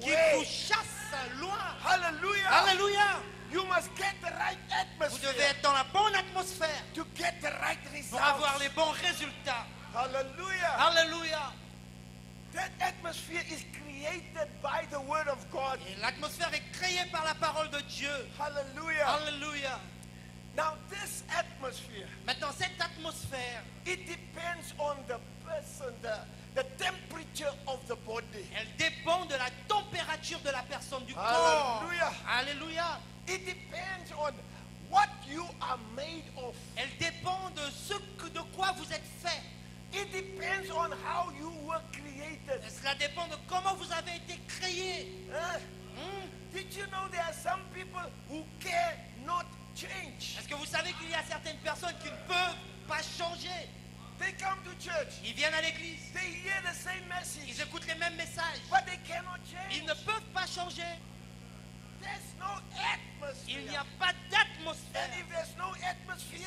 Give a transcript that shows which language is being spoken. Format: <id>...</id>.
<fr>Qui vous chasse loin. Hallelujah. Hallelujah.</fr> <en>You must get the right atmosphere.</en> <fr>Vous devez être dans la bonne atmosphère.</fr> <en>To get the right results.</en> <fr>Pour avoir les bons résultats. Hallelujah. Hallelujah.</fr> <en>That atmosphere is created by the word of God.</en> <fr>Et l'atmosphère est créée par la parole de Dieu. Hallelujah. Hallelujah.</fr> <en>Now this atmosphere.</en> <fr>Maintenant cette atmosphère.</fr> <en>It depends on the person, the temperature of the body.</en> <fr>Elle dépend de la température de la personne du Hallelujah. Corps. Hallelujah. Hallelujah.</fr> <en>It depends on what you are made of.</en> <fr>Elle dépend de ce que, de quoi vous êtes fait.</fr> <en>It depends on how you were created.</en> <fr>Cela dépend de comment vous avez été créé.</fr> <en>Did you know there are some people who care not change?</en> <fr>Est-ce que vous savez qu'il y a certaines personnes qui ne peuvent pas changer?</fr> <en>They come to church.</en> <fr>Ils viennent à l'église.</fr> <en>They hear the same message.</en> <fr>Ils écoutent les mêmes messages.</fr> <en>But they cannot change.</en> <fr>Ils ne peuvent pas changer.</fr> <en>There's no atmosphere.</en> <fr>Il n'y a pas d'atmosphère.</fr> <en>And if there's no atmosphere,</en>